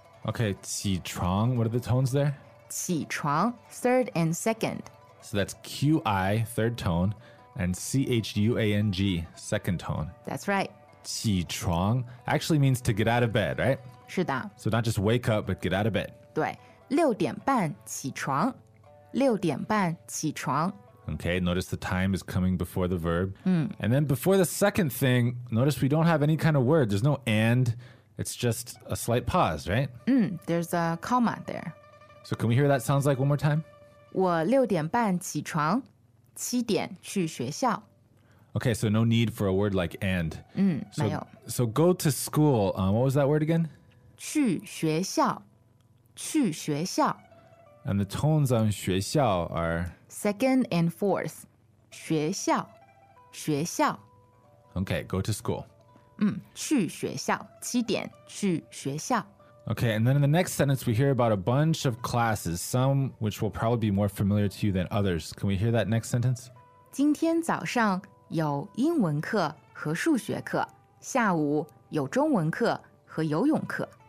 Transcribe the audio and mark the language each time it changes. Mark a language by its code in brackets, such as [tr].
[en] Okay, 起床, what are the tones there? 起床, third and second. So that's Q-I, third tone, and C-H-U-A-N-G, second tone. That's right. 起床 actually means to get out of bed, right? [zh] 是的。 [en] So not just wake up, but get out of bed. [zh] 对,六点半起床,六点半起床。 [en] Okay, notice the time is coming before the verb. Mm. And then before the second thing, notice we don't have any kind of word. There's no and, it's just a slight pause, right? There's a comma there. So can we hear what that sounds like one more time? [zh] 我六点半起床，七点去学校。 [en] Okay, so no need for a word like and. [zh] 没有。 [en] So go to school. What was that word again? [zh] 去学校，去学校。 [en] And the tones on 学校 are? Second and fourth. [zh] 学校，学校。 [en] Okay, go to school. [zh] 去学校，七点去学校。 [en] Okay, and then in the next sentence, we hear about a bunch of classes, some which will probably be more familiar to you than others. Can we hear that next sentence? [zh] 今天早上有英文课和数学课，下午有中文课和游泳课。